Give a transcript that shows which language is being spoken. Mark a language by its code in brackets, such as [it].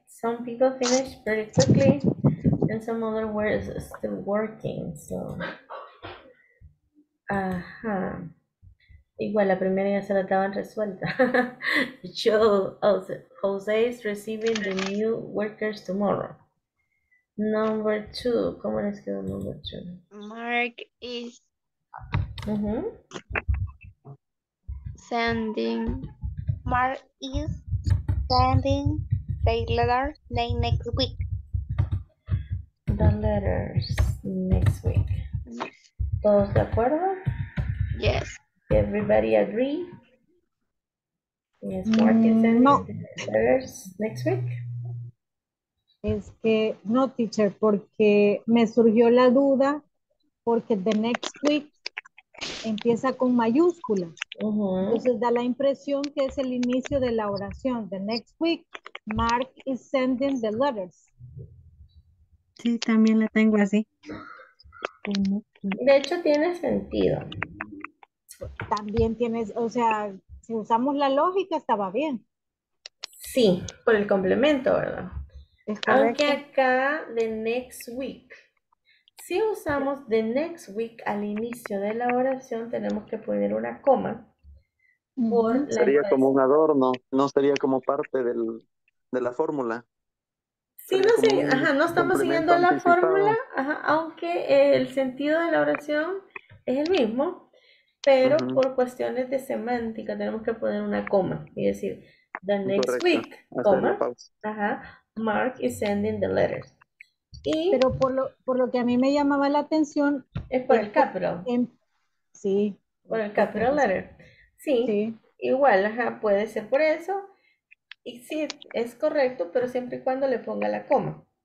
[en] Some people finish very quickly and some other words are still working. So, ajá. [es] Igual la primera ya se la estaban resuelta. [en] Jose is receiving the new workers tomorrow. Number two, [es] ¿cómo les quedó number two? [en] Mark is. Uh-huh. Sending. Mark is sending the letter next week. The letters next week. [es] ¿Todos de acuerdo? [en] Yes. Everybody agree? Yes, Mark is sending no. The letters next week. [es] Es que no, teacher, porque me surgió la duda porque [en] the next week [es] empieza con mayúscula. Uh-huh. Entonces da la impresión que es el inicio de la oración. [en] The next week, Mark is sending the letters. [es] Sí, también la tengo así. De hecho, tiene sentido. También tienes, o sea, si usamos la lógica, estaba bien. Sí, por el complemento, ¿verdad? Aunque acá, [en] the next week. [es] Si usamos [en] the next week [es] al inicio de la oración, tenemos que poner una coma. Sería como un adorno, no sería como parte del, de la fórmula. Sí, no, sí, ajá, no estamos siguiendo la fórmula, ajá, aunque el sentido de la oración es el mismo, pero uh-huh. Por cuestiones de semántica tenemos que poner una coma y decir [en] the next [es] correcto. [en] Week, [es] coma, ajá, [en] Mark is sending the letters. [es] Y pero por lo que a mí me llamaba la atención es por el capital. Sí. Por el capital letter. Sí. Igual, ajá, puede ser por eso. Y sí, es correcto, pero siempre y cuando le ponga la coma.